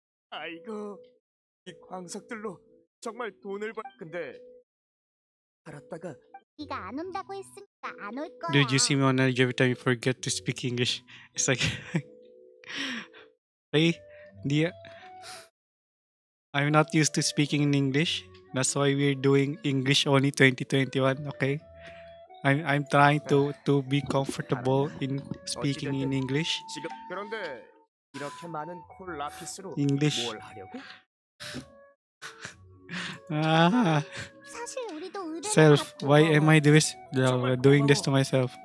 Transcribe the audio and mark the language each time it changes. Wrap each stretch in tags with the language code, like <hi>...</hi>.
<ko>아이고, 이 광석들로 정말 돈을 벌. 근데 알았다가. 네가 안 온다고 했으니까 안 올 거야.</ko> <en>Dude, you seem on edge every time you forget to speak English. It's like, hey, dear, I'm not used to speaking in English. That's why we're doing English only 2021, okay? I'm trying to be comfortable in speaking in English.</en> <ko>지금 그런데 이렇게 많은 콜 라피스로 뭘 하려고? 아.</ko> <en>Self, why am I doing this to myself?</en>